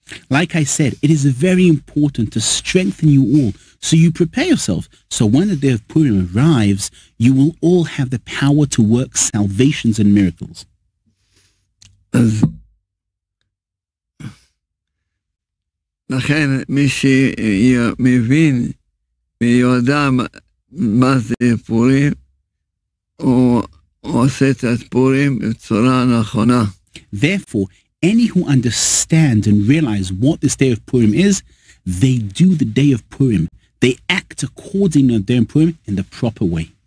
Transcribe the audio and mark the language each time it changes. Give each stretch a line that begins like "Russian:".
English: Like I said, it is very important to strengthen you all. So you prepare yourself. So when the day of Purim arrives, you will all have the power to work salvations and miracles.
Hebrew: לכן מי שמבין ויודע מה זה פורים, הוא עושה את הפורים בצורה נכונה.
English: Therefore, any who understand and realize what this day of Purim is, they do the day of Purim. They act according to the day of Purim in the proper way.